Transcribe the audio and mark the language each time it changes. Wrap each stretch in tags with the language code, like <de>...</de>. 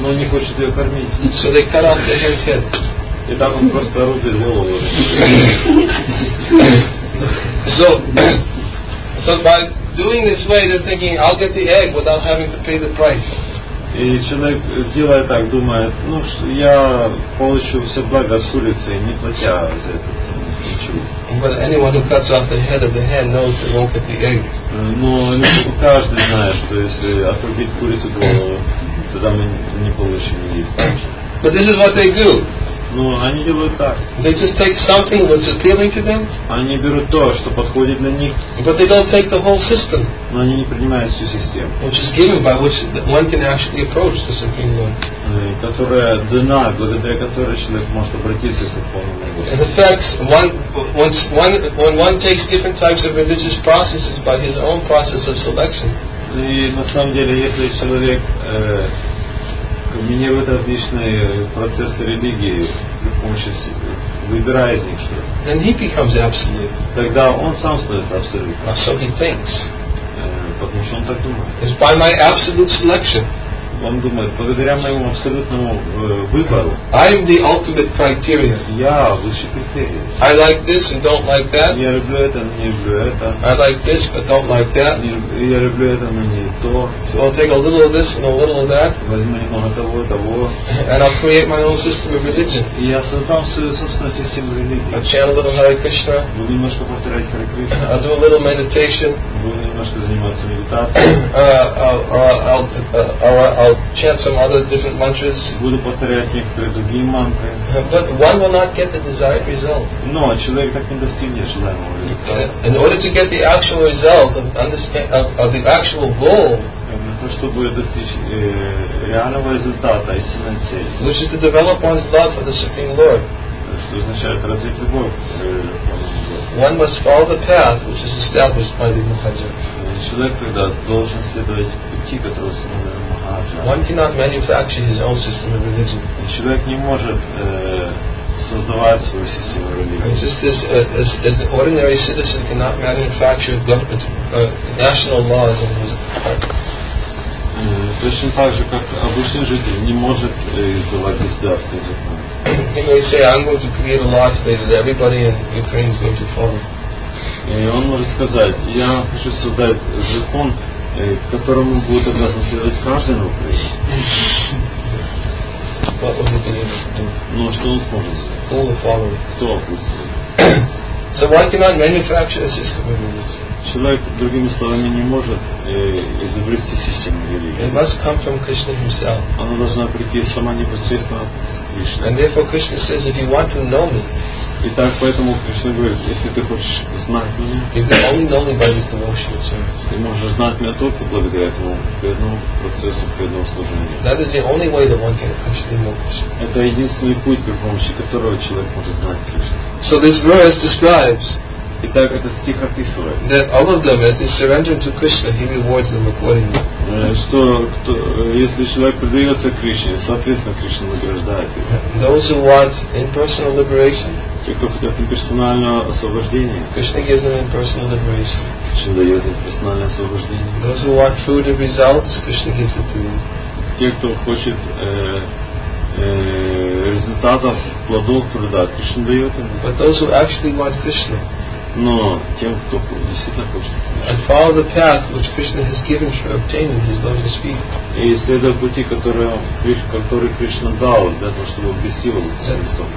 <ru>Но он не хочет ее кормить.</ru> <en>So they cut off the hen's head.</en> <ru>И так он просто рубит голову.</ru> <en>So by doing this way, they're thinking, I'll get the egg without having to pay the price.</en> <ru>И человек, делая так, думает, ну, я получу все благо с улицы, не платя за это ничего.</ru> <en>But anyone who cuts off the head of the hen knows they won't get the egg.</en> <ru>Но каждый знает, что если отрубить курицу голову, тогда мы не получим есть.</ru> <en>But this is what they do.</en> <ru>Но они делают так.</ru> <en>They just take something which is appealing to them.</en> <ru>Они берут то, что подходит для них.</ru> <en>But they don't take the whole system.</en> <ru>Но они не принимают всю систему.</ru> <en>Which is given by which one can actually approach the Supreme Lord.</en> <ru>Которая дана, благодаря которой человек может обратиться к Верховному Господу.</ru> <en>And the fact, when one takes different types of religious processes by his own process of selection.</en> <ru>И на самом деле, если человек комбинирует различные процессы религии при помощи себя, выбирая из них что-то, тогда он сам становится абсолютным.</ru> <en>Or so he thinks.</en> <ru>Потому что он так думает.</ru> <en>It's by my absolute selection.</en> <ru>Он думает, благодаря моему абсолютному выбору.</ru> <en>I'm the ultimate criteria.</en> <ru>Я высший критерий.</ru> <en>I like this and don't like that.</en> <ru>Я люблю это, но не люблю это.</ru> <en>I like this but don't like that.</en> <ru>Я люблю это, но не то.</ru> <en>So I'll take a little of this and a little of that.</en> <ru>Возьму немного того и того.</ru> <en>And I'll create my own system of religion.</en> <ru>И я создам свою собственную систему религии.</ru> <en>I'll chant a little Hare Krishna.</en> <ru>Буду немножко повторять Hare Krishna.</ru> <en>I'll do a little meditation.</en> <ru>Буду немножко заниматься медитацией.</ru> <en>I'll chant some other different mantras.</en> <ru>Буду повторять некоторые другие мантры.</ru> <en>But one will not get the desired result.</en> <ru>Но человек так не достигнет желаемого результата.</ru> <en>In order to get the actual result of understand of the actual goal.</en> <ru>Для того, чтобы достичь реального результата, истинной цели.</ru> <en>Which is to develop one's love for the Supreme Lord.</en> <ru>Что означает развить любовь.</ru> <en>One must follow the path which is established by the Mahajna.</en> <ru>Человек тогда должен следовать пути, которые установлены.</ru> <en>One cannot manufacture his own system of religion.</en> <ru>Человек не может создавать свою систему религии.</ru> <en>Just as an ordinary citizen cannot manufacture government, national laws on his part.</en> <ru>Точно так же, как обычный житель не может издавать государственные законы.</ru> <en>He may say, I'm going to create a law today that everybody in Ukraine is going to follow.</en> <ru>И он может сказать, я хочу создать закон, которому будет обязан следовать каждый на Украине. Ну, что он сможет сделать? Кто опустит?</ru> <en>So why cannot manufacture a system of religion?</en> <ru>Человек, другими словами, не может изобрести систему религии.</ru> <en>It must come from Krishna himself.</en> <ru>Она должна прийти сама непосредственно от Кришны.</ru> <en>And therefore Krishna says, if you want to know me,</en> <ru>итак, поэтому Кришна говорит, если ты хочешь знать меня, ты можешь знать меня только благодаря этому преданному процессу, преданному служению. Это единственный путь, при помощи которого человек может знать Кришну. Итак, этот стих описывает, что если человек предается Кришне, соответственно, Кришна награждает его. Те, кто хотят имперсонального освобождения,</ru> <en>Кришна gives them impersonal liberation.</en> <ru>Кришна дает им персональное освобождение.</ru> <en>Those who want food and results, Krishna gives it to them.</en> <ru>Те, кто хочет результатов, плодов труда, Кришна дает им.</ru> <en>But those who actually want Krishna.</en> <ru>Но тем, кто действительно хочет.</ru> <en>And follow the path which Krishna has given for obtaining his lotus feet.</en> <ru>И следуя пути, который Кришна дал для того, чтобы обрести его лотосом.</ru>